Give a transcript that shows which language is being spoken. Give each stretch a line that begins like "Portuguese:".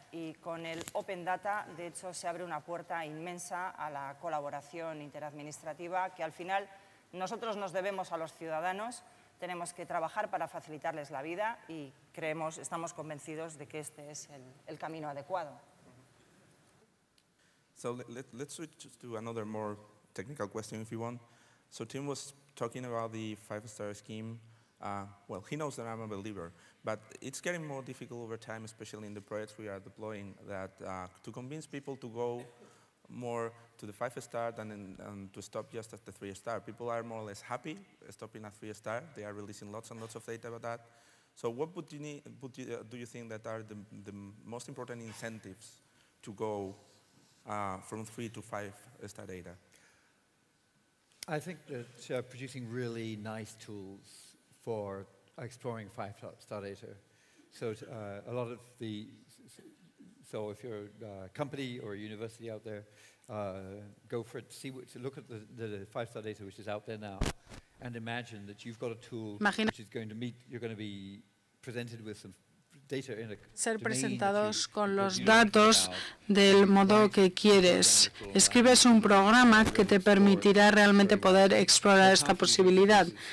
Spanish: Y con el Open Data, de hecho, se abre una puerta inmensa a la colaboración interadministrativa, que al final nosotros nos debemos a los ciudadanos, tenemos que trabajar para facilitarles la vida y creemos, estamos convencidos de que este es el camino adecuado.
English: So let's switch to another more technical question if you want. So Tim was talking about the five-star scheme. Well, he knows that I'm a believer, but it's getting more difficult over time, especially in the projects we are deploying, that to convince people to go more to the five-star than to stop just at the three-star. People are more or less happy stopping at three-star. They are releasing lots and lots of data about that. So what do you think that are the most important incentives to go from three to five-star data? I think that producing really nice tools for exploring five-star data. So a lot of the, so if you're a company or a university out there, go for it, look at the five-star data which is out there now and imagine that you've got a tool which is going to meet, you're going to be presented with some data in a
Spanish: ser presentados con los datos del modo que quieres. Escribes un programa que te permitirá realmente poder explorar esta posibilidad.